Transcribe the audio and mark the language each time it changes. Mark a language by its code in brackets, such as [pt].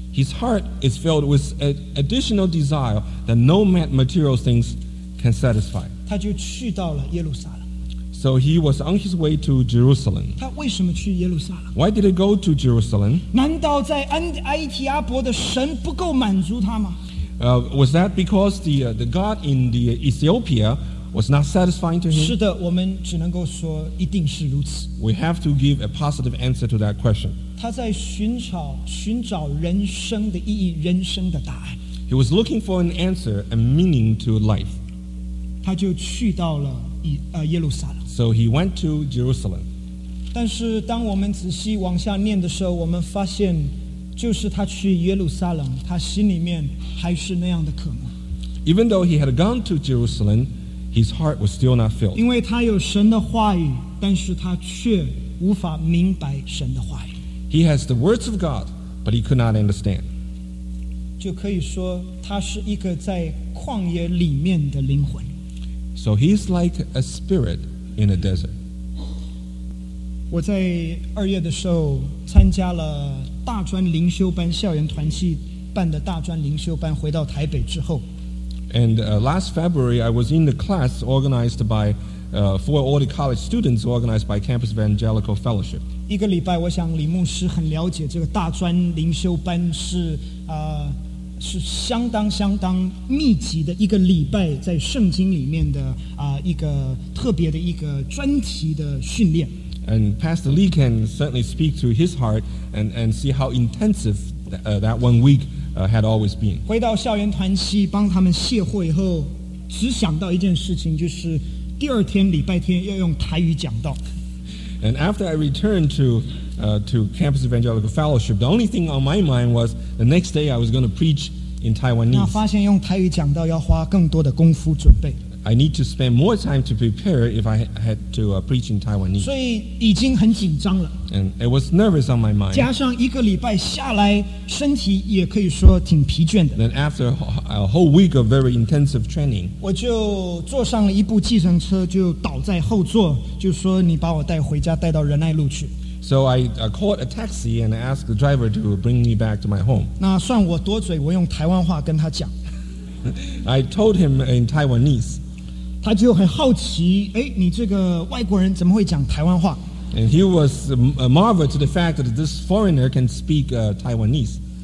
[en] His heart is filled with an additional desire that no material things can satisfy. [zh] 他就去到了耶路撒冷。 [en] So he was on his way to Jerusalem. [zh] 他为什么去耶路撒冷？ [en] Why did he go to Jerusalem? [zh] 难道在埃提阿伯的神不够满足他吗？ [en] Was that because the God in the Ethiopia was not satisfying to him? [zh] 是的，我们只能够说一定是如此。 [en] We have to give a positive answer to that question. [zh] 他在寻找人生的意义，人生的答案。 [en] He was looking for an answer, a meaning to life. [zh] 他就去到了耶路撒冷。 [en] So he went to Jerusalem. [zh] 但是当我们仔细往下念的时候，我们发现，就是他去耶路撒冷，他心里面还是那样的渴慕。 [en] Even though he had gone to Jerusalem, his heart was still not filled. [zh] 因为他有神的话语，但是他却无法明白神的话语。 [en] He has the words of God, but he could not understand. [zh] 就可以说他是一个在旷野里面的灵魂。 [en] So he's like a spirit in a desert. [zh] 我在二月的时候参加了大专灵修班，校园团契办的大专灵修班，回到台北之后。 [en] And last February, I was in the class organized by for all the college students organized by Campus Evangelical Fellowship. [zh] 一个礼拜，我想李牧师很了解这个大专灵修班是是相当相当密集的一个礼拜，在圣经里面的一个特别的一个专题的训练。 [en] And Pastor Lee can certainly speak to his heart and see how intensive that one week had always been. [zh] 回到校园团契帮他们卸货以后，只想到一件事情，就是。第二天礼拜天要用台语讲道。 [en] And after I returned to Campus Evangelical Fellowship, the only thing on my mind was the next day I was going to preach in Taiwanese. [zh] 那发现用台语讲道要花更多的功夫准备。 [en] I need to spend more time to prepare if I had to preach in Taiwanese. [zh] 所以已经很紧张了。 [en] And it was nervous on my mind. [zh] 加上一个礼拜下来，身体也可以说挺疲倦的。 [en] Then after a whole week of very intensive training, [zh] 我就坐上了一部计程车，就倒在后座，就说你把我带回家，带到仁爱路去。 [en] So I called a taxi and asked the driver to bring me back to my home. [zh] 那算我多嘴，我用台湾话跟他讲。 [en] I told him in Taiwanese. [zh] 他就很好奇，哎，你这个外国人怎么会讲台湾话？ [en] And he was marveled to the fact that this foreigner can speak Taiwanese.